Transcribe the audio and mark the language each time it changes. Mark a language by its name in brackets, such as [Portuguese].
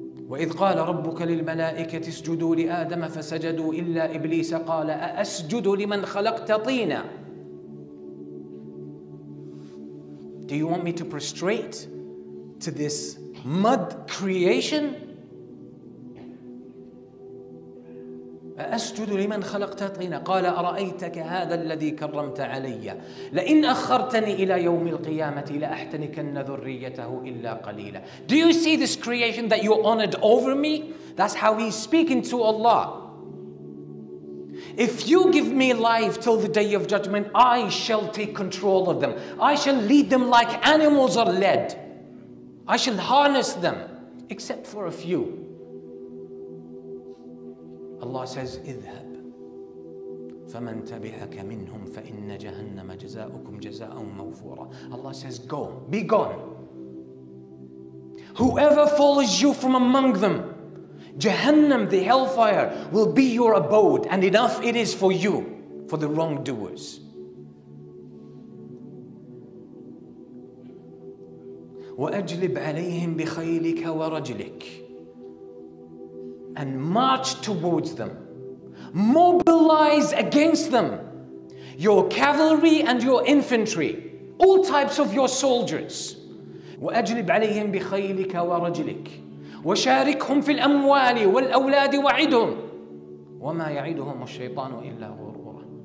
[Arabic] وَإِذْ قَالَ رَبُّكَ لِلْمَلَائِكَةِ اسْجُدُوا لِآدَمَ فَسَجَدُوا إِلَّا إِبْلِيسَ قَالَ أَأَسْجُدُ لِمَنْ خَلَقْتَ طِينًا. [English] Do you want me to prostrate to this mud creation? [Arabic] أسجد لمن خلقت طينا. قال أرأيتك هذا الذي كرمت علي لئن أخرتني إلى يوم القيامة لأحتنكن ذريته إلا قليلا. [English] Do you see this creation that you honored over me? That's how he's speaking to Allah. If you give me life till the day of judgment, I shall take control of them. I shall lead them like animals are led. I shall harness them, except for a few. Allah says, [Arabic] اذهب فمن تبعك منهم فإن جهنم جزاؤكم جزاء موفورا. [English] Allah says, go, be gone. Whoever follows you from among them, Jahannam, the hellfire, will be your abode, and enough it is for you, for the wrongdoers. [Arabic] وأجلب عليهم بخيلك ورجلك. [English] And march towards them. Mobilize against them your cavalry and your infantry, all types of your soldiers. [Arabic] وأجلب عليهم بخيلك ورجلك وشاركهم في الأموال والأولاد وعدهم وما يعدهم الشيطان إلا غرورا.